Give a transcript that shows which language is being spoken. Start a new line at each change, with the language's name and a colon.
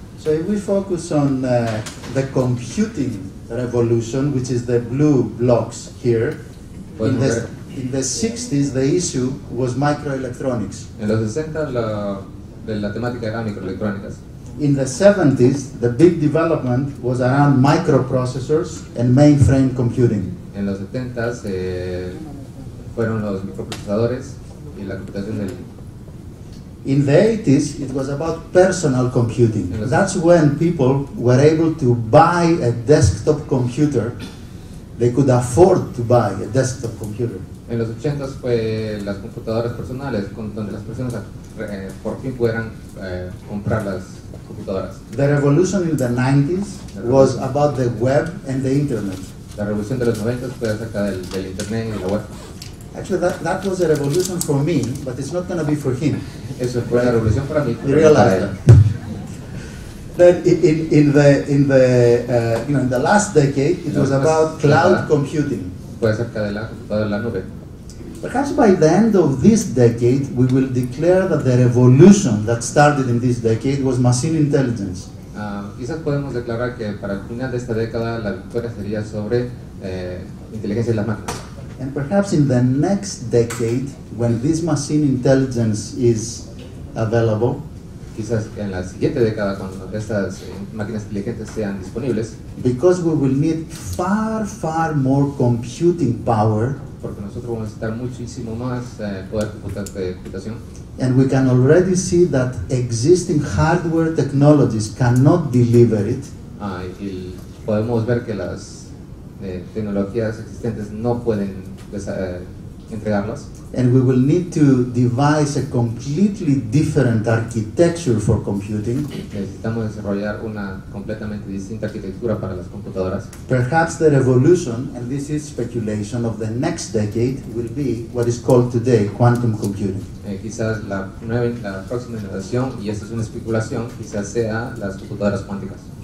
English: So if we focus on the computing revolution, which is the blue blocks here, in the 60s the issue was microelectronics.
Spanish: En los 60 la temática era microelectrónicas.
English: In the 70s the big development was around microprocessors and mainframe computing.
Spanish: En los 70s fueron los microprocesadores y la computación del.
English: In the 80s it was about personal computing. That's when people were able to buy a desktop computer. They could afford to buy a desktop computer.
Spanish: En los 80s fue las computadoras personales, donde las personas por fin pudieran comprar las computadoras.
English: The revolution in the 90s was about the web and the internet.
Spanish: La revolución de los 90s fue acerca del internet y la web.
English: Actually, that was a revolution for me, but it's not going to be for him.
Spanish: Eso fue una revolución para mí.
English: You realize that. Then in the last decade, it was about cloud computing.
Spanish: Fue acerca de la nube.
English: Perhaps by the end of this decade, we will declare that the revolution that started in this decade was machine intelligence.
Spanish: Quizás podemos declarar que para el final de esta década la victoria sería sobre inteligencia de las máquinas.
English: And perhaps in the next decade, when this machine intelligence is available,
Spanish: quizás en la siguiente década cuando estas máquinas inteligentes sean disponibles,
English: because we will need far, far more computing power,
Spanish: porque nosotros vamos a necesitar muchísimo más poder de computación,
English: and we can already see that existing hardware technologies cannot deliver it.
Spanish: Y podemos ver que las tecnologías existentes no pueden entregarlas.
English: And we will need to devise a completely different architecture for computing.
Spanish: Necesitamos desarrollar una completamente distinta arquitectura para las computadoras.
English: Perhaps the revolution, and this is speculation, of the next decade will be what is called today quantum computing.
Spanish: Quizás la próxima innovación, y esto es una especulación, quizás sea las computadoras cuánticas.